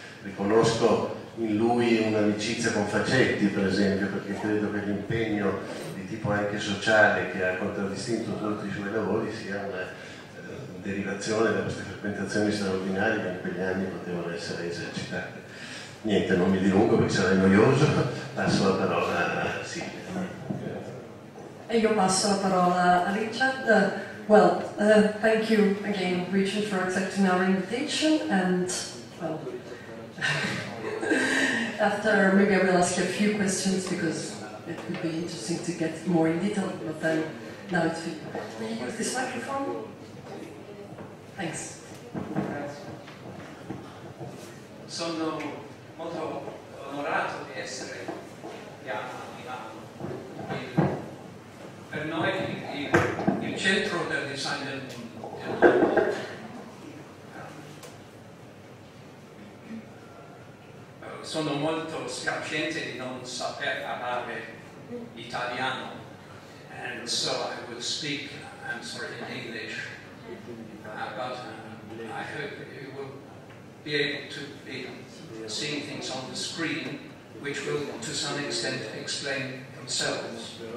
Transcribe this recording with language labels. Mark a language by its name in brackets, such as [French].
[Italian] Riconosco in lui un'amicizia con Facetti, per esempio, perché credo che l'impegno tipo anche sociale che ha contraddistinto tutti i suoi lavori sia una derivazione da queste frequentazioni straordinarie che in quegli anni potevano essere esercitate. Niente, non mi dilungo perché sarei noioso, passo la parola a Silvia. E io passo la parola a Richard. [English] Well, thank you again, Richard, for accepting our invitation, and well, after maybe I will ask you a few questions because it would be interesting to get more in detail, but then now it's fine. Can you use this microphone? Thanks. [Italian] Sono molto onorato di essere qui a Milano. Per noi il centro del design del mondo. Sono molto sciocco di non saper parlare italiano. [English] And so I will speak, I'm sorry, in English. But I hope you will be able to be seeing things on the screen, which will to some extent explain themselves.